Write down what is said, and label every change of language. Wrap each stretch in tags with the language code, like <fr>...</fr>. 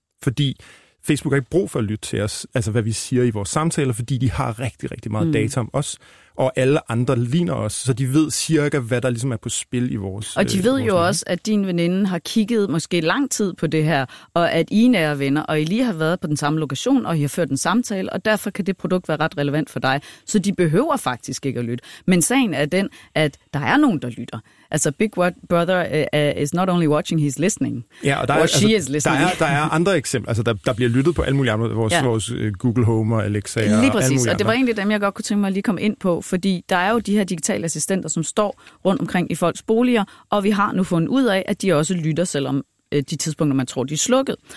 <da>Fordi Facebook har ikke brug for at lytte til os, altså hvad vi siger i vores samtaler, fordi de har rigtig, rigtig meget data om os, og alle andre ligner os, så de ved cirka, hvad der ligesom er på spil i vores... Og de ved jo også, at din veninde har kigget måske lang tid på det her, og at I er nære venner, og I lige har været på den samme lokation, og I har ført en samtale, og derfor kan det produkt være ret relevant for dig. Så de behøver faktisk ikke at lytte. Men sagen er den, at der er nogen, der lytter.</da> <en>Altså, Big Brother is not only watching, he's listening.</en> <da>Ja, og der er andre eksempler. Altså, der bliver lyttet på alle mulige andre. Vores Google Home og Alexa. Lige præcis, og det var egentlig dem, jeg godt kunne tænke mig at lige komme ind på, fordi der er jo de her digitale assistenter, som står rundt omkring i folks boliger, og vi har nu fundet ud af, at de også lytter, selvom de tidspunkter, man tror, de er slukket.</da>